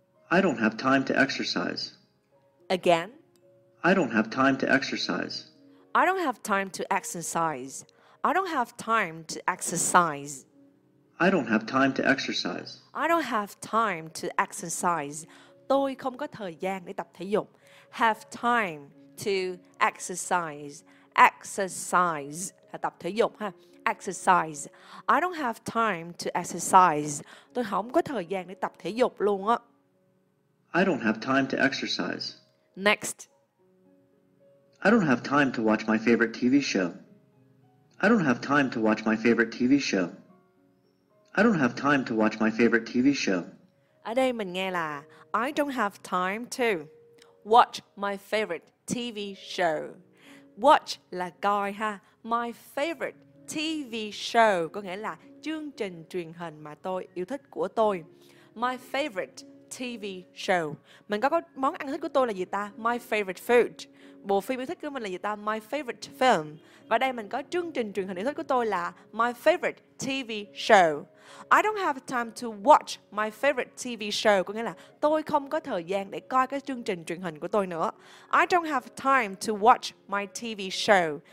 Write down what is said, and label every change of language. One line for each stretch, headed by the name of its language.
English: I don't have time to exercise. Again. I don't have time to exercise. I don't have time to exercise. I don't have time to exercise. I don't have time to exercise. I don't have time to exercise.
Vietnamese: Tôi không có thời gian để tập thể dục.
English: Have time to exercise.
Vietnamese: Exercise là tập thể dục ha.
English: Exercise. I don't have time to exercise.
Vietnamese: Tôi không có thời gian để tập thể dục luôn á.
English: I don't have time to exercise. Next. I don't have time to watch my favorite TV show. I don't have time to watch my favorite TV show. I don't have time to watch my favorite TV show.
Vietnamese: Ở đây mình nghe là
English: I don't have time to watch my favorite TV show.
Vietnamese: Watch là coi ha.
English: My favorite TV show
Vietnamese: có nghĩa là chương trình truyền hình mà tôi yêu thích của tôi.
English: My favorite TV show.
Vietnamese: Mình có món ăn thích của tôi là gì ta?
English: My favorite food.
Vietnamese: Bộ phim yêu thích của mình là gì ta?
English: My favorite film.
Vietnamese: Và đây mình có chương trình truyền hình yêu thích của tôi là
English: my favorite TV show. I don't have time to watch my favorite TV show.
Vietnamese: Có nghĩa là tôi không có thời gian để coi cái chương trình truyền hình của tôi nữa.
English: I don't have time to watch my TV show.